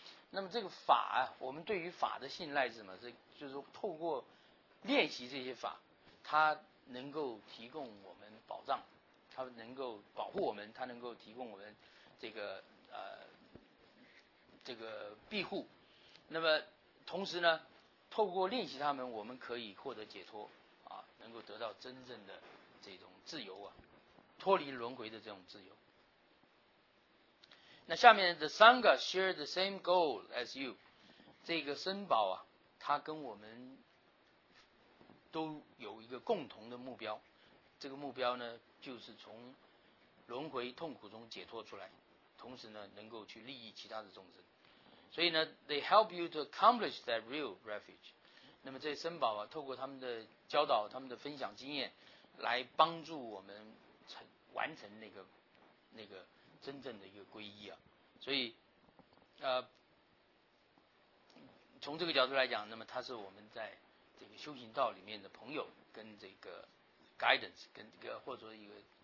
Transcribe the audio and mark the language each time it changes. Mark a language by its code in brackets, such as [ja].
[zh] 那么这个法啊，我们对于法的信赖是什么？就是说透过练习这些法，它能够提供我们保障，它能够保护我们，它能够提供我们这个庇护。那么同时呢，透过练习它们，我们可以获得解脱。能够得到真正的这种自由啊，脱离轮回的这种自由。 [en] 那下面 the Sangha share the same goal as you， [zh] 这个僧宝啊，他跟我们都有一个共同的目标，这个目标呢，就是从轮回痛苦中解脱出来，同时呢，能够去利益其他的众生。 [en] 所以呢，they help you to accomplish that real refuge。 [zh] 那么这些僧宝啊，透过他们的教导、他们的分享经验，来帮助我们完成那个真正的一个皈依啊。所以，从这个角度来讲，那么他是我们在这个修行道里面的朋友，跟这个 guidance， 跟这个或者说一个